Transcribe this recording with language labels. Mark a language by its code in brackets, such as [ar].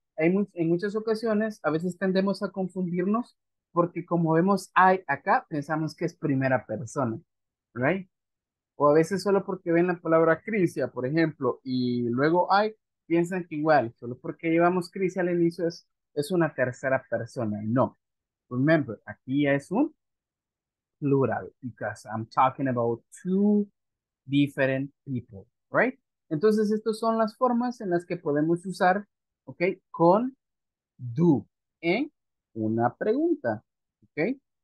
[es] En muchas ocasiones, a veces tendemos a confundirnos porque como vemos I acá, pensamos que es primera persona, ¿right? O a veces solo porque ven la palabra Crisia, por ejemplo, y luego hay, piensan que igual, solo porque llevamos Crisia al inicio es una tercera persona. No. [en] Remember, [es] aquí es un plural, [en] because I'm talking about two different people, right? [es] Entonces, estas son las formas en las que podemos usar, ok, con do en una pregunta, ok?